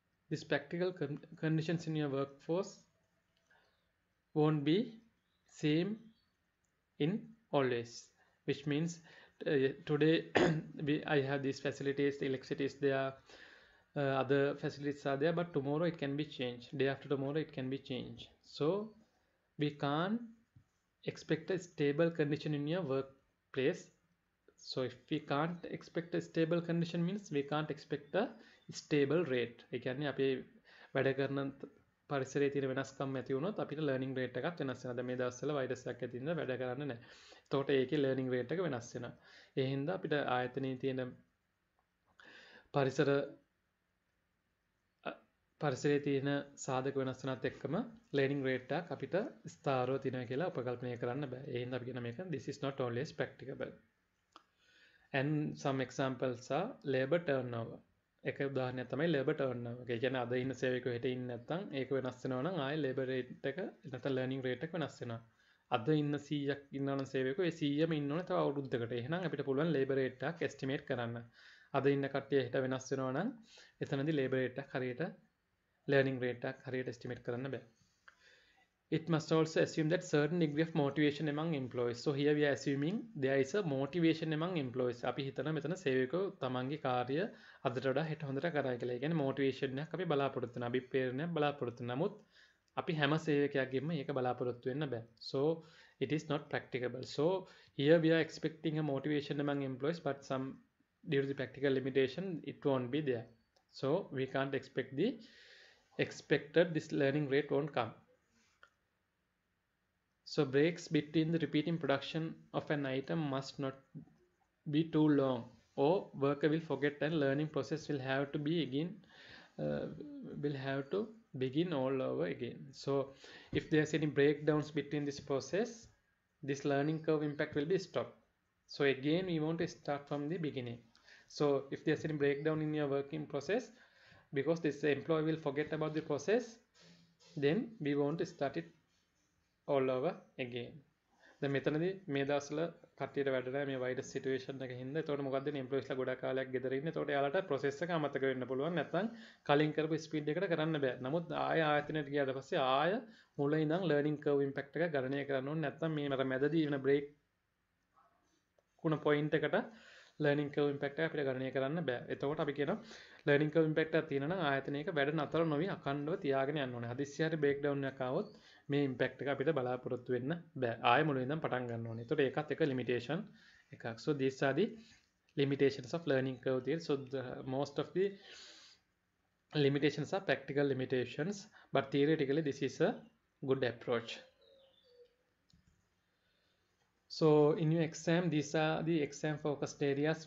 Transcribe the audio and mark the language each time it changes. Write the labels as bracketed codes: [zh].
[en] this practical conditions in your workforce won't be same in always, which means today I have these facilities, the electricity is there, other facilities are there, but tomorrow it can be changed, day after tomorrow it can be changed. So we can't expect a stable condition in your workplace. So if we can't expect a stable condition, means we can't expect a stable rate. [si] ඒ කියන්නේ අපි වැඩ කරන පරිසරයේ තියෙන වෙනස්කම් ඇති වුණොත් අපිට ලර්නින්ග් රේට් එකක් වෙනස් වෙනවා. දැන් මේ දවස්වල වෛරස් එකක් ඇති වෙනවා, වැඩ කරන්නේ නැහැ. එතකොට ඒකේ ලර්නින්ග් රේට් එක වෙනස් වෙනවා. ඒ හින්දා අපිට ආයතනයේ තියෙන පරිසරයේ තියෙන සාධක වෙනස් වෙනත් එක්කම ලර්නින්ග් රේට් එක අපිට ස්ථාරව තියෙනවා කියලා උපකල්පනය කරන්න බෑ. ඒ හින්දා අපි කියන මේක [en] this is not always practicable. And some examples are labor turnover. [si] එක උදාහරණයක් තමයි ලේබර් ටර්න් ඕවර් එක. ඒ කියන්නේ අද ඉන්න සේවකයෝ හෙට ඉන්නේ නැත්නම් ඒක වෙනස් වෙනවා නම් ආයෙ ලේබර් රේට් එක නැත්නම් ලර්නින්ග් රේට් එක වෙනස් වෙනවා. අද ඉන්න 100ක් ඉන්නවා නම් සේවකයෝ ඒ 100ම ඉන්න ඕනේ තව අවුරුද්දකට. එහෙනම් අපිට පුළුවන් ලේබර් රේට් එකක් එස්ටිමේට් කරන්න. අද ඉන්න කට්ටිය හෙට වෙනස් වෙනවා නම් එතනදී ලේබර් රේට් එකක් හරියට ලර්නින්ග් රේට් එකක් හරියට එස්ටිමේට් කරන්න බෑ. [en] It must also assume that certain degree of motivation among employees. So here we are assuming there is a motivation among employees. [si] අපි හිතනවා මෙතන සේවකයෝ තමන්ගේ කාර්ය අදට වඩා හෙට හොඳට කරයි කියලා. ඒ කියන්නේ motivation එකක් අපි බලාපොරොත්තු වෙනවා. අභිප්‍රේරණයක් බලාපොරොත්තු වෙනවා. නමුත් අපි හැම සේවකයෙක්ගෙම මේක බලාපොරොත්තු වෙන්න බෑ. [en] So it is not practicable. So here we are expecting a motivation among employees, but some due to the practical limitation it won't be there. So we can't expect the expected this learning rate won't come. So breaks between the repeating production of an item must not be too long, or worker will forget and learning process will have to be again will have to begin all over again. So if there is any breakdowns between this process, this learning curve impact will be stopped. So again we want to start from the beginning. So if there is any breakdown in your working process, because this employee will forget about the process, then we want to start it all over again. [si] දැන් මෙතනදී මේ දවස්වල කට්ටියට වැඩ නැහැ මේ virus situation එක හින්දා. එතකොට මොකද්ද මේ එම්ප්ලොයිස්ලා ගොඩක් කාලයක් ගෙදර ඉන්නේ. එතකොට යාලට ප්‍රොසෙස් එක අමතක වෙන්න පුළුවන්. නැත්නම් කලින් කරපු ස්පීඩ් එකට කරන්න බෑ. නමුත් ආය ආයතනයට ගියාද පස්සේ ආය මුල ඉඳන් ලර්නින් කර්ව් ඉම්පැක්ට් එක ගණනය කරන්න ඕනේ. නැත්නම් මේ මත මැදදී වෙන බ්‍රේක් කුණ පොයින්ට් එකට ලර්නින් කර්ව් ඉම්පැක්ට් එක අපිට ගණනය කරන්න බෑ. එතකොට අපි කියනවා ලර්නින් කර්ව් ඉම්පැක්ට් එකක් තියෙන නම් ආයතනයක වැඩ නතර නොවි අඛණ්ඩව තියාගෙන යන්න ඕනේ. හදිස්සි හරි බ්‍රේක් ඩවුන් එකක් ආවොත් මේ ඉම්පැක්ට් එක අපිට බලාපොරොත්තු වෙන්න බෑ. ආයෙ මුලින් ඉඳන් පටන් ගන්න ඕනේ. එතකොට ඒකත් එක ලිමිටේෂන් එකක්. [en] So these are the limitations of learning curve theory. So the most of the limitations are practical limitations, but theoretically this is a good approach. So in your exam, these are the exam focused areas.